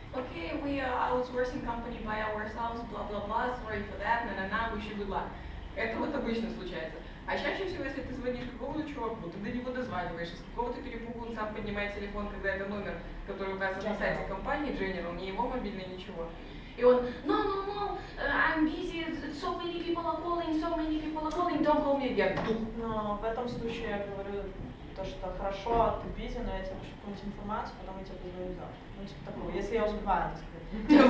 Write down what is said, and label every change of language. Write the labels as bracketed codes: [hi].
[en] Okay, we are outsourcing company by ourselves, blah blah blah, sorry for that, no, no, we should be luck. [ru] Это вот обычно случается. А чаще всего, если ты звонишь какому-то чуваку, ты до него дозваниваешься, с какого-то перепугу он сам поднимает телефон, когда это номер, который указан на сайте компании General, не его мобильный, ничего. [en] You went, no, no, no, I'm busy, so many people are calling, don't call me again. [ru] No, в этом случае я говорю то, что хорошо, ты busy, но я тебе пишу какую-нибудь информацию, потом я тебе позвоню завтра. Ну, типа такого, если я успеваю, так сказать.